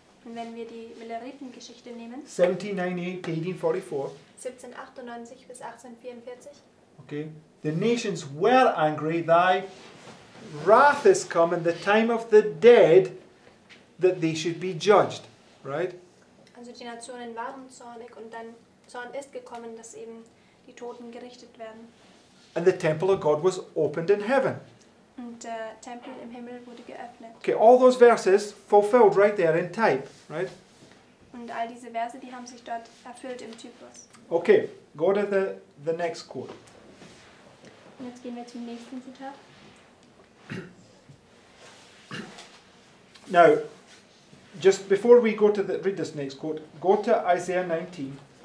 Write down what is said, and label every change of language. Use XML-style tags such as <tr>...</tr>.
<de>Und wenn wir die Milleriten-Geschichte nehmen,</de> <en>1798 to 1844.</en> <de>1798 bis 1844.</de> <en>Okay. The nations were angry. Thy wrath is come in the time of the dead, that they should be judged. Right?</en> <de>Also die Nationen waren zornig und dann Zorn ist gekommen, dass eben die Toten gerichtet werden.</de> <en>And the temple of God was opened in heaven.</en> <de>Und der Tempel im Himmel wurde geöffnet.</de> <en>Okay, all those verses fulfilled right there in type, right?</en> <de>Und all diese Verse, die haben sich dort erfüllt im Typus.</de> <en>Okay, go to the next quote.</en> <de>Und jetzt gehen wir zum nächsten Zitat.</de> <en>Now, just before we go to read this next quote, go to Isaiah 19.</en>